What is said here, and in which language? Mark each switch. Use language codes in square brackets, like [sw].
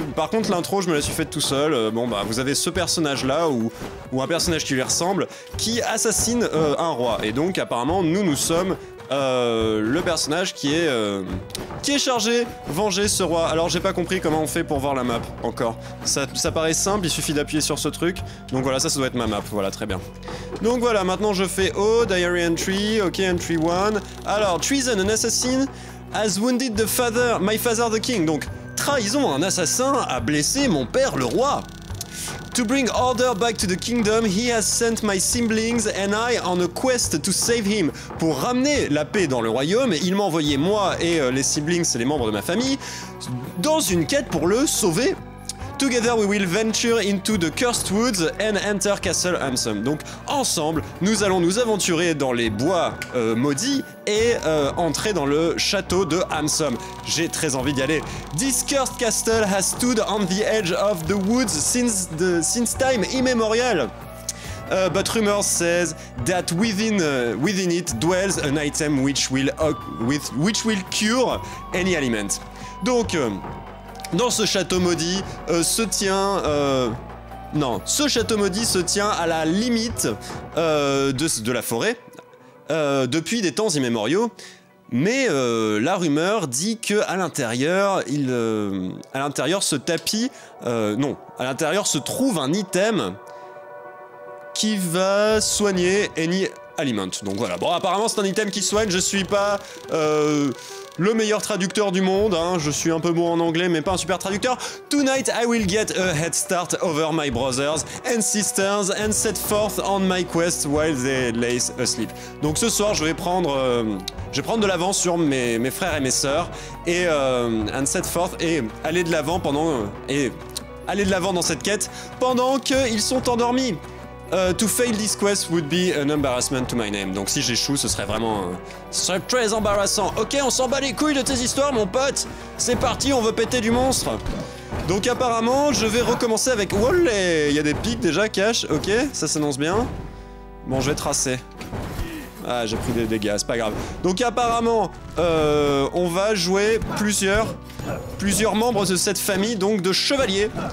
[fr] Par contre, l'intro, je me la suis faite tout seul. Bon, bah, vous avez ce personnage-là, ou un personnage qui lui ressemble, qui assassine un roi. Et donc, apparemment, nous sommes... le personnage qui est chargé venger ce roi. Alors j'ai pas compris comment on fait pour voir la map encore. Ça paraît simple, il suffit d'appuyer sur ce truc. Donc voilà, ça doit être ma map, voilà, très bien. Donc voilà, maintenant je fais O, diary entry, ok, entry 1. [en] Alors, treason, an assassin has wounded the father, my father the king. [fr] Donc, trahison, un assassin a blessé mon père le roi. [en] To bring order back to the kingdom, he has sent my siblings and I on a quest to save him. [fr] Pour ramener la paix dans le royaume, il m'a envoyé moi et les siblings, c'est les membres de ma famille, dans une quête pour le sauver. [en] Together we will venture into the cursed woods and enter Castle Hansom. [fr] Donc ensemble, nous allons nous aventurer dans les bois maudits et entrer dans le château de Hansom. J'ai très envie d'y aller. [en] This cursed castle has stood on the edge of the woods since time immemorial. But rumor says that within it dwells an item which will cure any ailment. [fr] Donc dans ce château maudit se tient... Non, ce château maudit se tient à la limite de la forêt depuis des temps immémoriaux. Mais la rumeur dit qu'à l'intérieur, à l'intérieur se trouve un item qui va soigner [en] any aliment. [fr] Donc voilà. Bon, apparemment c'est un item qui soigne, je suis pas... le meilleur traducteur du monde, hein. Je suis un peu bon en anglais, mais pas un super traducteur. [en] Tonight I will get a head start over my brothers and sisters and set forth on my quest while they lay asleep. [fr] Donc ce soir, je vais prendre de l'avance sur mes frères et mes sœurs et aller de l'avant dans cette quête pendant qu'ils sont endormis. [en] To fail this quest would be an embarrassment to my name. [fr] Donc si j'échoue, ce serait vraiment... ce serait très embarrassant. Ok, on s'en bat les couilles de tes histoires, mon pote. C'est parti, on veut péter du monstre. Donc apparemment, je vais recommencer avec... Wallé, il y a des pics déjà, cash. Ok, ça s'annonce bien. Bon, je vais tracer. Ah, j'ai pris des dégâts, c'est pas grave. Donc apparemment, on va jouer plusieurs membres de cette famille, donc de chevaliers.